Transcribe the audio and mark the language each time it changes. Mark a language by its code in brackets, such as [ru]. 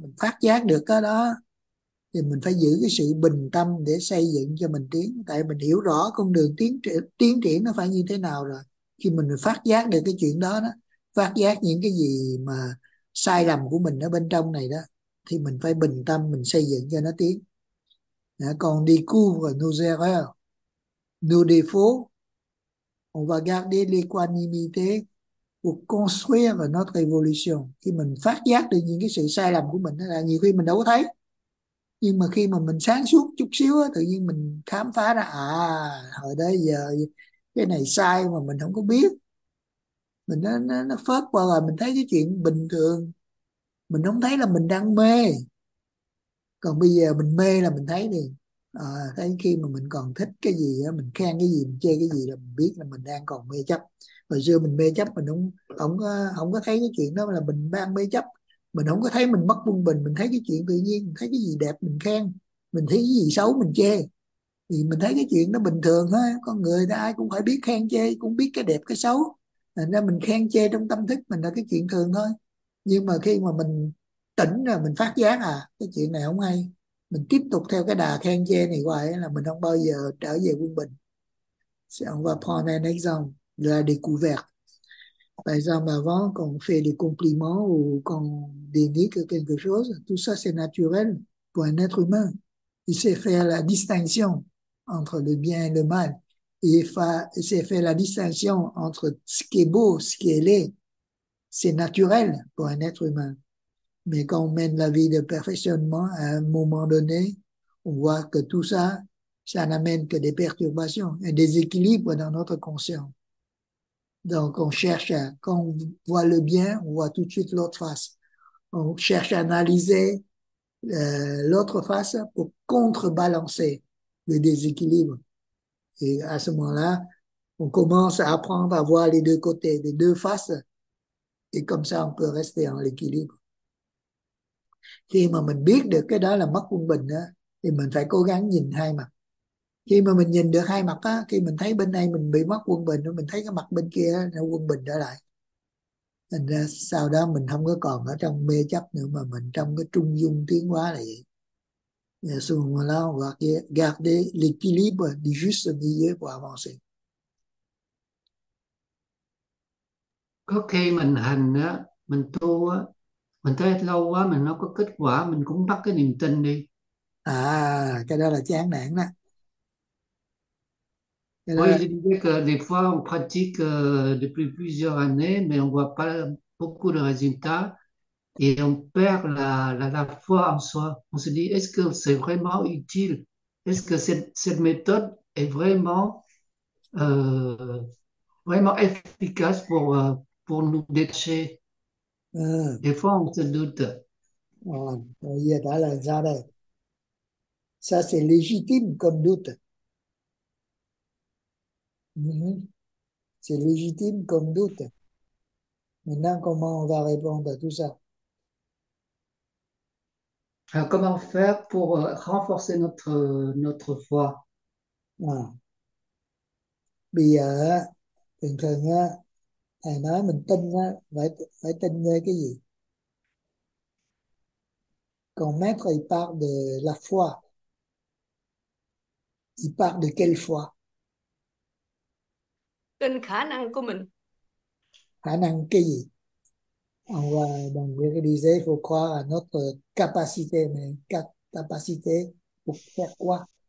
[vi] Mình phát giác được cái đó thì mình phải giữ cái sự bình tâm để xây dựng cho mình tiến, tại mình hiểu rõ con đường tiến triển nó phải như thế nào rồi. Khi mình phát giác được cái chuyện đó, phát giác những cái gì mà sai lầm của mình ở bên trong này đó, thì mình phải bình tâm mình xây dựng cho nó tiến. [fr] Còn découvre nos erreurs, nos défauts, on va garder l'équanimité pour construire notre évolution. [vi] Khi mình phát giác được những cái sự sai lầm của mình là nhiều khi mình đâu có thấy, nhưng mà khi mà mình sáng suốt chút xíu tự nhiên mình khám phá ra, à hồi đó giờ cái này sai mà mình không có biết, mình nó phớt qua rồi, mình thấy cái chuyện bình thường, mình không thấy là mình đang mê. Còn bây giờ mình mê là mình thấy liền. À, thấy khi mà mình còn thích cái gì á, mình khen cái gì, mình chê cái gì là mình biết là mình đang còn mê chấp. Hồi xưa mình mê chấp mình không có thấy cái chuyện đó là mình đang mê chấp, mình không có thấy mình mất quân bình, mình thấy cái chuyện tự nhiên, mình thấy cái gì đẹp mình khen, mình thấy cái gì xấu mình chê, thì mình thấy cái chuyện nó bình thường thôi. Con người ta ai cũng phải biết khen chê, cũng biết cái đẹp cái xấu, nên mình khen chê trong tâm thức mình là cái chuyện thường thôi. Nhưng mà khi mà mình tỉnh rồi mình phát giác, à cái chuyện này không hay, mình tiếp tục theo cái đà khen chê này hoài là mình không bao giờ trở về quân bình. [fr] On va prendre un exemple, la découverte. Par exemple, avant, quand on fait des compliments ou quand on dénigre quelque chose, tout ça c'est naturel pour un être humain. Il sait faire la distinction entre le bien et le mal. Il sait faire la distinction entre ce qui est beau, ce qui est laid. C'est naturel pour un être humain. Mais quand on mène la vie de perfectionnement, à un moment donné, on voit que tout ça, ça n'amène que des perturbations, un déséquilibre dans notre conscience. Donc on cherche, quand on voit le bien, on voit tout de suite l'autre face. On cherche à analyser l'autre face pour contrebalancer le déséquilibre. Et à ce moment-là, on commence à apprendre à voir les deux côtés, les deux faces. Et comme ça, on peut rester en équilibre. [vi] Khi mà mình biết được cái đó là mất quân bình á, thì mình phải cố gắng nhìn hai mặt. Khi mà mình nhìn được hai mặt á, khi mình thấy bên này mình bị mất quân bình, mình thấy cái mặt bên kia nó quân bình trở lại. Thành ra sau đó mình không có còn ở trong mê chấp nữa, mà mình trong cái trung dung tiến hóa này. Là gọi là [fr] garder l'équilibre du juste milieu pour avancer. [vi] Có khi mình hành á, mình tu á, mình thấy lâu quá mình nó có kết quả, mình cũng mất cái niềm tin đi. À, cái đó là chán nản đó. Cái đó [fr] Oui, là... je disais que des fois on pratique depuis plusieurs années, mais on ne voit pas beaucoup de résultats et on perd la foi en soi. On se dit, est-ce que c'est vraiment utile? Est-ce que cette méthode est vraiment efficace pour nous détacher? Des fois, on se doute. Il y a là ça là ça c'est légitime comme doute. C'est légitime comme doute. Maintenant, comment on va répondre à tout ça? Alors, comment faire pour renforcer notre foi? [vi] Bây giờ thường thường á, thầy nói mình tin á, phải tin nghe cái gì? [fr] Quand maître il parle de la foi, il parle de quelle foi? [vi] Tin khả năng của mình. Khả năng cái gì? Ông là đồng nghĩa cái [fr] faut croire à notre capacité, mais capacité pour faire quoi?